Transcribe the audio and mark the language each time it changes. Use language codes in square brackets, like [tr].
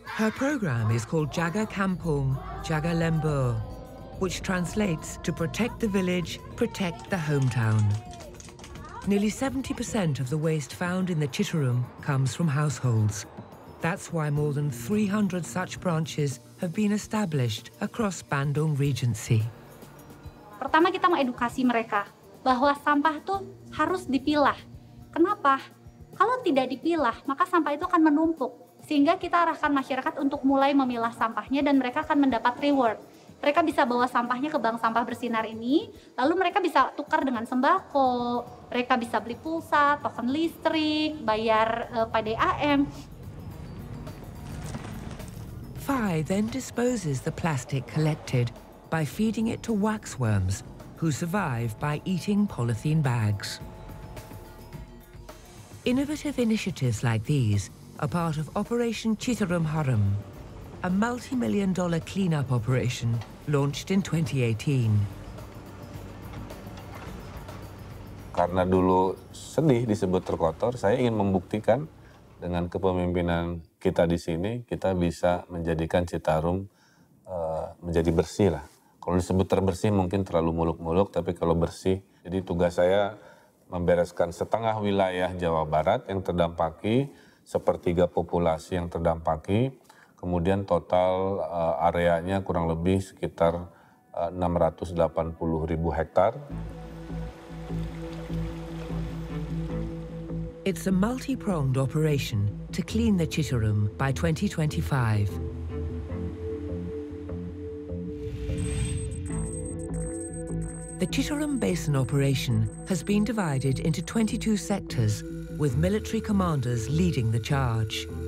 [en] Her program is called Jaga Kampung, Jaga Lembur, which translates to protect the village, protect the hometown. Nearly 70% of the waste found in the Citarum comes from households. That's why more than 300 such branches have been established across Bandung Regency. [id] Pertama kita mau edukasi mereka bahwa sampah tuh harus dipilah. Kenapa? Kalau tidak dipilah, maka sampah itu akan menumpuk. Sehingga kita arahkan masyarakat untuk mulai memilah sampahnya dan mereka akan mendapat reward. Mereka bisa bawa sampahnya ke bank sampah bersinar ini, lalu mereka bisa tukar dengan sembako, mereka bisa beli pulsa, token listrik, bayar PDAM. [en] Fai then disposes the plastic collected by feeding it to waxworms, who survive by eating polythene bags. Innovative initiatives like these are part of Operation Citarum Harum, a multi-million dollar cleanup operation launched in 2018. [id] Karena dulu sedih disebut terkotor, saya ingin membuktikan dengan kepemimpinan kita di sini, kita bisa menjadikan Citarum menjadi bersih lah. Kalau disebut terbersih mungkin terlalu muluk-muluk, tapi kalau bersih, jadi tugas saya membereskan setengah wilayah Jawa Barat yang terdampaki, sepertiga populasi yang terdampaki, kemudian total areanya kurang lebih sekitar 680 ribu hektar. [en] It's a multi-pronged operation to clean the Citarum by 2025. The Citarum Basin operation has been divided into 22 sectors, with military commanders leading the charge.